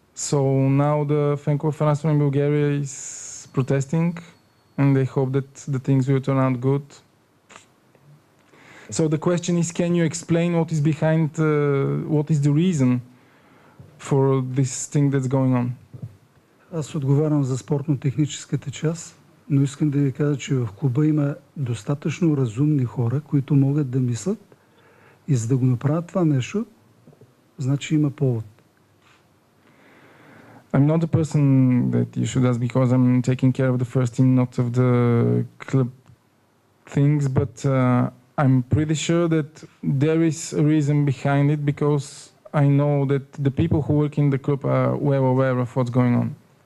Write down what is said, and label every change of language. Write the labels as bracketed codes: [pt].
[en] So now the fan club of Arsenal in Bulgaria is protesting and they hope that the things will turn out good. So the question is, can you explain what is behind, what is the reason for this thing that's going on? [bg] Аз отговарям за спортно-техническата част, но искам да ви кажа, че в клуба има достатъчно разумни хора, които могат да мислят. И за да го направят това нещо, значи има повод. [en] I'm not the person that you should ask because I'm taking care of the first team, not of the club things, but I'm pretty sure that there is a reason behind it because I know that the people who work in the club are well aware of what's going on.